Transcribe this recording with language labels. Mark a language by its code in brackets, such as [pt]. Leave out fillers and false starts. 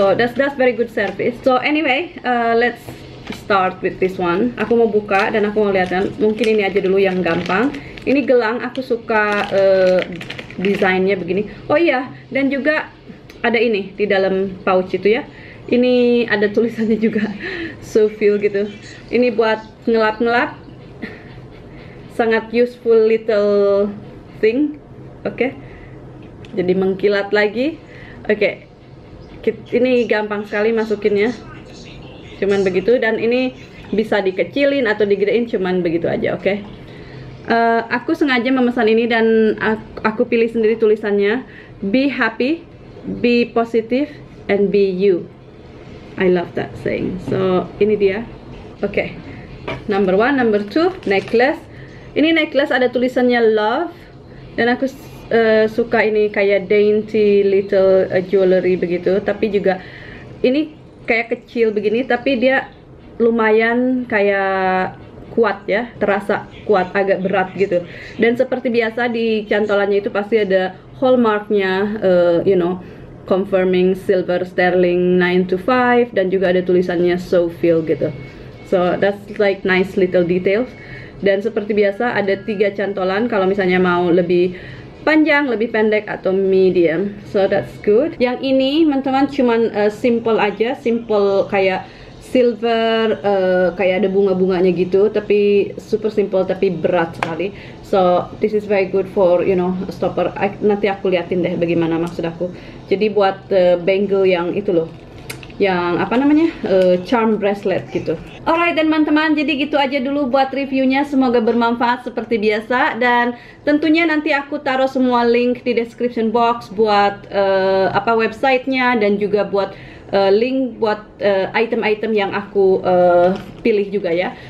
[en] So that's very good service. So anyway, let's start with this one. [id] Aku mau buka dan aku mau lihat, dan mungkin ini aja dulu yang gampang. Ini gelang, aku suka desainnya begini. Oh iya, dan juga ada ini di dalam pouch itu ya. Ini ada tulisannya juga Soulfeel gitu. Ini buat ngelap-ngelap. [en] Sangat useful little thing. [id] Oke. Jadi mengkilat lagi. Oke. Ini gampang sekali masukinnya. Cuman begitu, dan ini bisa dikecilin atau digedein, cuman begitu aja, oke? Aku sengaja memesan ini dan aku pilih sendiri tulisannya, [en] be happy, be positive, and be you. I love that saying. So [id] ini dia, oke? [en] Number one, number two, necklace. [id] Ini necklace ada tulisannya love, dan aku suka ini kayak [en] dainty little jewelry [id] begitu, tapi juga ini kayak kecil begini, tapi dia lumayan kayak kuat ya, terasa kuat, agak berat gitu. Dan seperti biasa di cantolannya itu pasti ada hallmarknya, [en] confirming silver sterling 925, [id] dan juga ada tulisannya Soulfeel gitu. [en] So that's like nice little details. [id] Dan seperti biasa ada 3 cantolan kalau misalnya mau lebih panjang, lebih pendek, atau medium. [en] So that's good. [id] Yang ini teman-teman cuman simple aja, simple kayak silver, kayak ada bunga-bunganya gitu, tapi super simple tapi berat sekali. [en] So this is very good for stopper. [id] Nanti aku liatin deh bagaimana maksud aku. Jadi buat bangle yang itu loh, yang apa namanya, charm bracelet gitu. Alright teman-teman, jadi gitu aja dulu buat reviewnya, semoga bermanfaat seperti biasa. Dan tentunya nanti aku taruh semua link di description box buat websitenya, dan juga buat link buat item-item yang aku pilih juga ya.